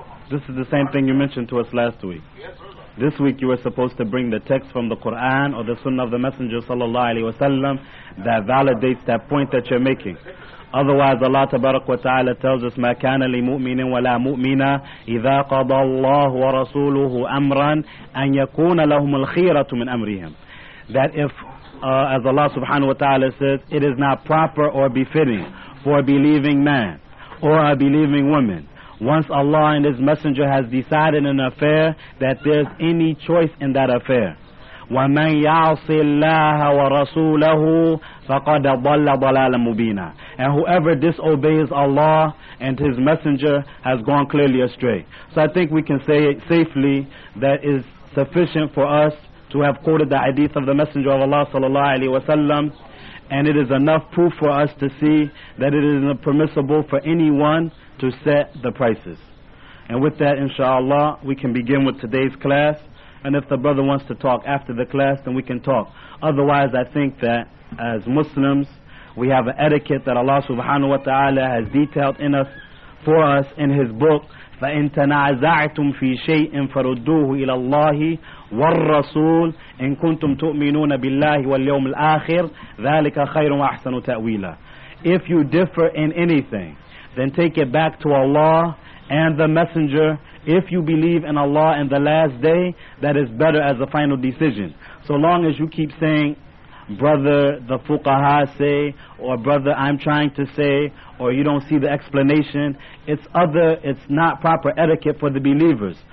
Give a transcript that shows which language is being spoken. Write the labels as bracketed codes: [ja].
[en] This is the same thing you mentioned to us last week. Yes, brother. This week you were supposed to bring the text from the Quran or the Sunnah of the Messenger sallallahu alaihi wasallam that validates that point that you're making. Otherwise, Allah tabarak wa ta'ala tells us, [ar] مَا كَانَ لِمُؤْمِنٍ وَلَا مُؤْمِنًا إِذَا قَضَى اللَّهُ وَرَسُولُهُ أَمْرًا أَنْ يَكُونَ لَهُمُ الْخِيرَةُ مِنْ أَمْرِهِمْ. [en] That if, as Allah subhanahu wa ta'ala says, it is not proper or befitting for a believing man or a believing woman, once Allah and His Messenger has decided an affair, that there's any choice in that affair. [ar] وَمَنْ يَعْصِ اللَّهَ وَرَسُولَهُ فَقَدْ ضَلَّ ضَلَالًا مُبِينًا. [en] And whoever disobeys Allah and His Messenger has gone clearly astray. So I think we can say safely that is sufficient for us to have quoted the hadith of the Messenger of Allah sallallahu alaihi wasallam, and it is enough proof for us to see that it is permissible for anyone to set the prices. And with that, inshallah, we can begin with today's class. And if the brother wants to talk after the class, then we can talk. Otherwise, I think that as Muslims, we have an etiquette that Allah subhanahu wa ta'ala has detailed in us, for us in His book, [ar] فإن تنازعتم في شيء فردوه إلى الله والرسول إن كنتم تؤمنون بالله واليوم الآخر ذلك خير وأحسن تأويلا. [en] If you differ in anything, then take it back to Allah and the Messenger. If you believe in Allah and the last day, that is better as a final decision. So long as you keep saying, brother, the fuqaha say, or brother, I'm trying to say, or you don't see the explanation, it's not proper etiquette for the believers.